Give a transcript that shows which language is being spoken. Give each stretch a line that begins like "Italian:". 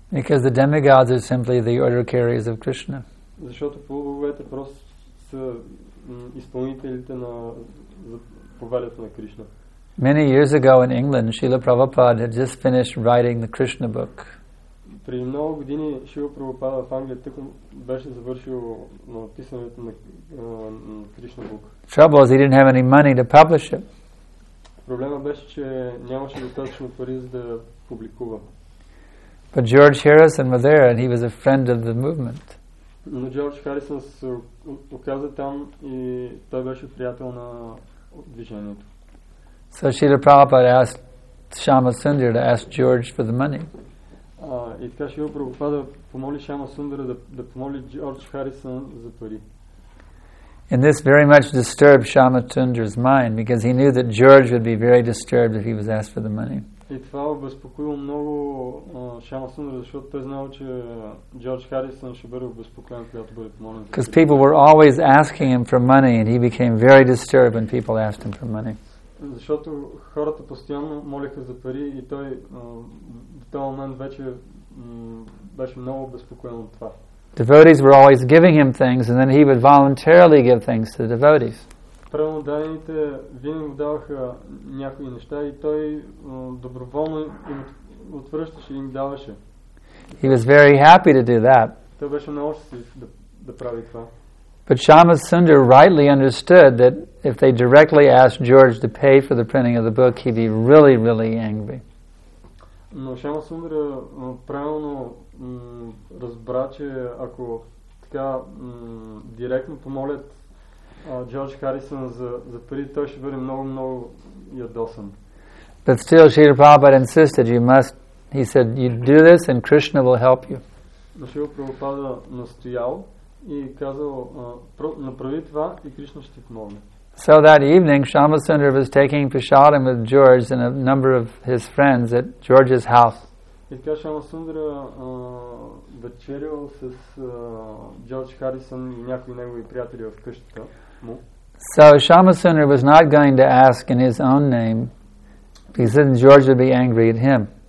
English: Because the demigods are simply the order carriers of Krishna.
Bulgarian: Защото полубоговете просто са изпълнителите на повелята на Кришна.
English: Many years ago in England, Srila Prabhupada had just finished writing the Krishna book.
Bulgarian: Преди много години Шрила Прабхупада в Англия тъкмо беше завършил написането на Кришна бук.
English: Trouble is he didn't have any money to publish it.
Bulgarian: Проблема беше, че нямаше достатъчно пари за да публикува.
English: But George Harrison was there and he was a friend of the movement.
Bulgarian: Но Джордж Харисън се оказа там и той беше приятел на движението.
English: So Srila Prabhupada asked Shama Sundar to ask George for the money.
Bulgarian: И така Шрила Прабхупада помоли Шама Сундара да помоли Джордж Харисън за пари.
English: And this very much disturbed Shama Sundar's mind because he knew that George would be very disturbed if he was asked for the money.
Bulgarian: И това обезпокоило много Шама Сундара, защото той знал, че Джордж Харисън ще бъде обезпокоен, когато бъде помолен.
English: Because people were always asking him for money and he became very disturbed when people asked him for money.
Bulgarian: Защото хората постоянно молиха за пари и той в този момент вече беше много обезпокоен от това.
English: Devotees were always giving him things and then he would voluntarily give things to the devotees.
Bulgarian: Преданите винаги даваха някои неща и той доброволно им отвръщаше и им даваше.
English: He was very happy to do that.
Bulgarian: Той беше много щастлив да прави това.
English: But Shama Sundar rightly understood that if they directly asked George to pay for the printing of the book, he'd be really, really angry.
Bulgarian: Но Шама Сундара правилно разбра, че ако така директно помолят Джордж Харисън за пари, той ще бъде много, много ядосан.
English: But still, Srila Prabhupada insisted, you must, he said, you do this and Krishna will help you.
Bulgarian: Но Шрила Прабхупада настоял и казал, направи това и Кришна ще ти помогне.
English: So that evening, Shama Sundar was taking prasadam with George and a number of his friends at George's house.
Bulgarian: И така Шама Сундара вечерял с Джордж Харисън и някои негови приятели в къщата му.
English: So Shama Sundar was not going to ask in his own name, because then George would be angry at him.